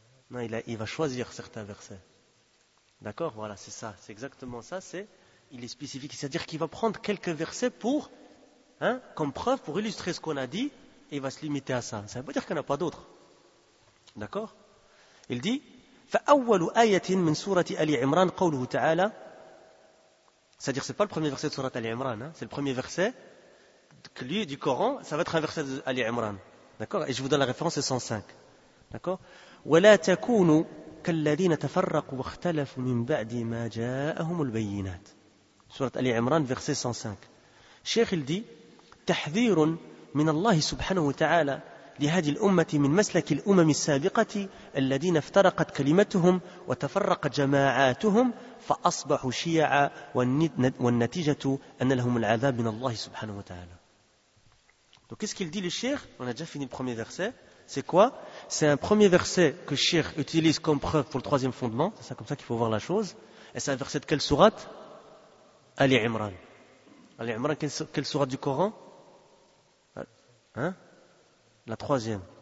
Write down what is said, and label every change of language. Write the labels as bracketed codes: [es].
[fr] Non, il va choisir certains versets. D'accord, voilà, c'est ça. C'est exactement ça. Il est spécifique. C'est-à-dire qu'il va prendre quelques versets pour, comme preuve, pour illustrer ce qu'on a dit, et il va se limiter à ça. Ça ne veut pas dire qu'il n'y en a pas d'autres. D'accord. [ar] Il dit فَأَوَّلُ آيَةٍ مِنْ سُورَةِ أَلِي عِمْرَانِ قَوْلُهُ تَعَالَى. [fr] C'est-à-dire que ce n'est pas le premier verset de Sourate Ali Imran. C'est le premier verset que lui, du Coran, ça va être un verset d'Ali Imran. D'accord, et je vous donne la référence, c'est 105. [ar] D'accord. وَلَا تَكُونُوا كَالَّذِينَ تَفَرَّقُوا وَاخْتَلَفُوا مِنْ بَعْدِ مَا جَاءَهُمُ الْبَيِّنَاتِ. [fr] Sourate Ali Imran, verset 105. Cheikh, il dit [ar] تحذير من الله سبحانه وتعالى لهذه الأمة من مسلك الأمم السابقة الذين افترقت كلمتهم وتفرقت جماعاتهم فأصبحوا شيعا والنتيجة أن لهم العذاب من الله سبحانه وتعالى. [fr] Donc qu'est-ce qu'il dit le cheikh? On a déjà fini le premier verset. C'est quoi? C'est un premier verset que le cheikh utilise comme preuve pour le troisième fondement. C'est ça, comme ça qu'il faut voir la chose. Et c'est un verset de quelle sourate? Ali Imran. Ali Imran, quelle sourate du Coran? La troisième.